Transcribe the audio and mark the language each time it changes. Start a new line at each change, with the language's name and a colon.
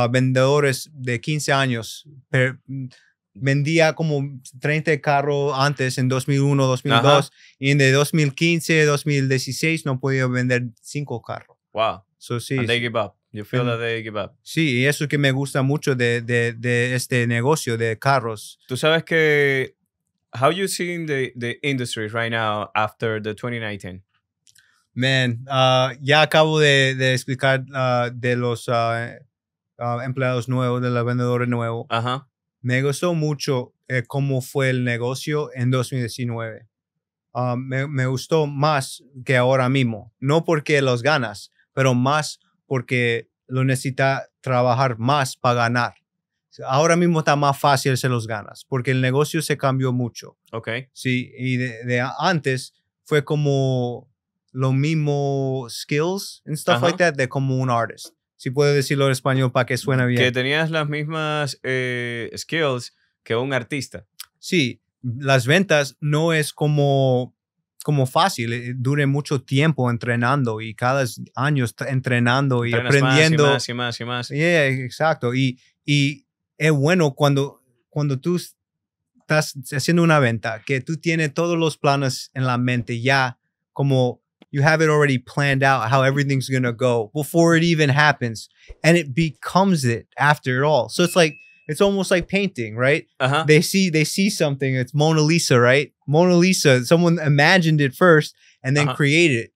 Spanish: Vendedores de 15 años. Vendía como 30 carros antes en 2001, 2002. Uh-huh. Y en de 2015, 2016 no podía vender 5 carros.
English: Wow. So,
Spanish: sí,
English: and they give up. You feel that they give up.
Spanish: Sí, y eso es que me gusta mucho de este negocio de carros. Tú sabes que...
English: How you seeing the industry right now after the 2019?
Spanish: Man, ya acabo de explicar de los empleados nuevos, de los vendedores nuevos. Ajá. Me gustó mucho cómo fue el negocio en 2019. Me gustó más que ahora mismo. No porque los ganas, pero más porque lo necesita trabajar más para ganar. Ahora mismo está más fácil hacer los ganas porque el negocio se cambió mucho.
English: Okay.
Spanish: Sí, y de antes fue como lo mismo
English: skills and stuff like that
Spanish: de como un artist. Si puedo decirlo en español para que suene bien. Que tenías las mismas skills que un artista. Sí, las ventas no es como fácil. Dure mucho tiempo entrenando y cada año entrenando y aprendiendo. Más y más y más y más.
English: Yeah,
Spanish: exacto. Y es bueno cuando tú estás haciendo una venta, que tú tienes todos los planes en la mente ya, como
English: you have it already planned out how everything's going to go before it even happens. And it becomes it after it all. So it's like, it's almost like painting, right? Uh-huh. They see something. It's Mona Lisa, right? Mona Lisa. Someone imagined it first and then created it.